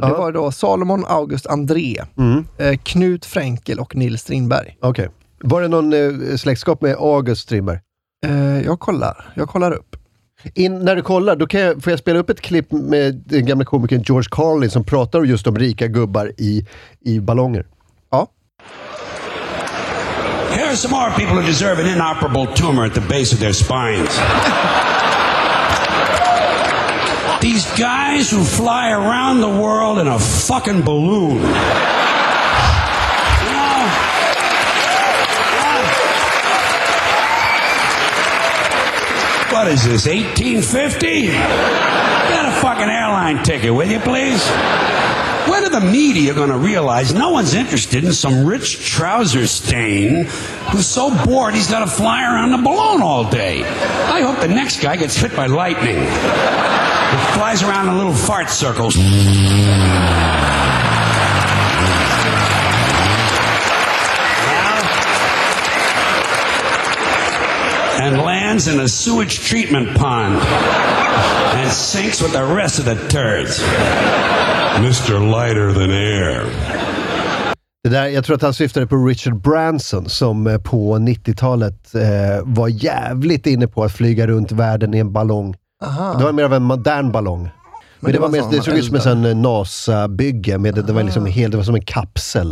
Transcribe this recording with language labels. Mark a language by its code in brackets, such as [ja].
[sv] Uh-huh. Det var då Salomon, August, André, Knut Fränkel och Nils Strindberg. Okej. Okay. Var det någon släktskap med August Strindberg? Jag kollar upp. När du kollar, då kan jag, får jag spela upp ett klipp med den gamla komikern George Carlin som pratar just om rika gubbar i ballonger. Ja. [en] There are some more people who deserve an inoperable tumor at the base of their spines. These guys who fly around the world in a fucking balloon. What is this, 1850? Get a fucking airline ticket, will you please? When are the media going to realize no one's interested in some rich trouser stain who's so bored he's got to fly around a balloon all day? I hope the next guy gets hit by lightning. He flies around in little fart circles. And lands in a sewage treatment pond. And sinks with the rest of the turds. Mr. Lighter Than Air. [sv] Det där, jag tror att han syftade på Richard Branson som på 90-talet var jävligt inne på att flyga runt världen i en ballong. Aha. Det var mer av en modern ballong. Men det var mest, det såg ut som en sån NASA-bygge med det, det var liksom helt, det var som en kapsel.